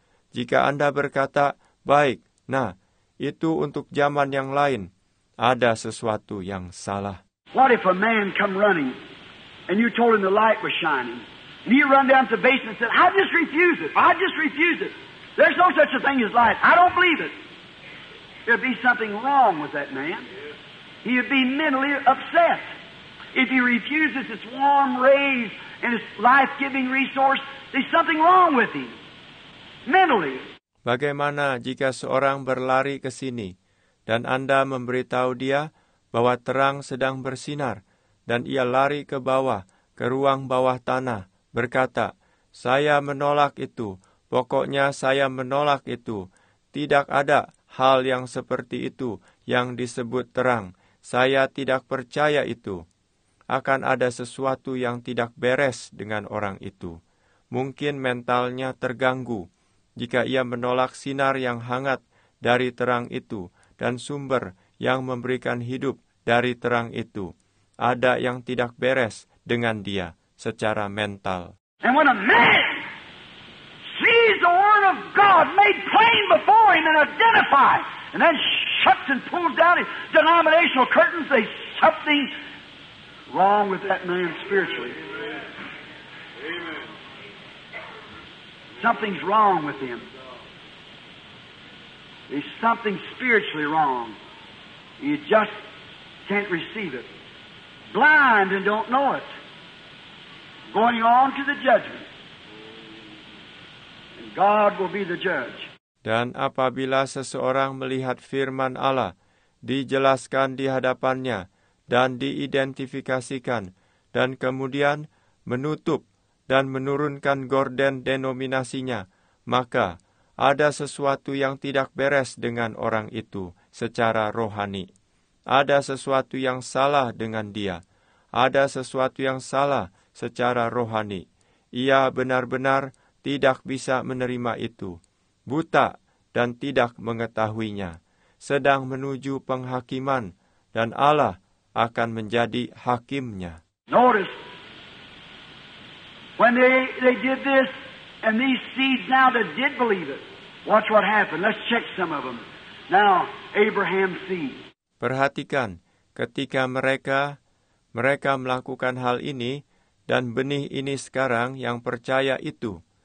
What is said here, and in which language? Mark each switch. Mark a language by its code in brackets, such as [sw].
[id] Jika Anda berkata, baik, nah, itu untuk zaman yang lain, ada sesuatu yang salah. [en] What if a man come running, and you told him the light was shining, and he run down to the basement and said, I just refuse it. There's no such a thing as light. I don't believe it. There'd be something wrong with that man. He'd be mentally upset. If he refuses its warm rays and its life-giving resource, there's something wrong with him. Mentally. [id] Bagaimana jika seorang berlari ke sini dan Anda memberitahu dia bahwa terang sedang bersinar dan ia lari ke bawah, ke ruang bawah tanah, berkata, saya menolak itu, pokoknya saya menolak itu. Tidak ada hal yang seperti itu yang disebut terang. Saya tidak percaya itu. Akan ada sesuatu yang tidak beres dengan orang itu. Mungkin mentalnya terganggu. Jika ia menolak sinar yang hangat dari terang itu dan sumber yang memberikan hidup dari terang itu, ada yang tidak beres dengan dia secara mental. [en] And when a man sees the word of God made plain before him and identifies, and then shuts and pulls down his denominational curtains, there's something wrong with that man spiritually. Something's wrong with him. There's something spiritually wrong. You just can't receive it. Blind and don't know it. Going on to the judgment. And God will be the judge. [id] Dan apabila seseorang melihat firman Allah dijelaskan di hadapannya dan diidentifikasikan dan kemudian menutup dan menurunkan gorden denominasinya, maka ada sesuatu yang tidak beres dengan orang itu secara rohani. Ada sesuatu yang salah dengan dia. Ada sesuatu yang salah secara rohani. Ia benar-benar tidak bisa menerima itu. Buta dan tidak mengetahuinya. Sedang menuju penghakiman dan Allah akan menjadi hakimnya. [en] Notice. When they did this, and these seeds now that did believe it, watch what happened. Let's check some of them. Now, Abraham's seed. [id] Perhatikan, ketika mereka melakukan hal ini, dan benih ini sekarang yang percaya itu.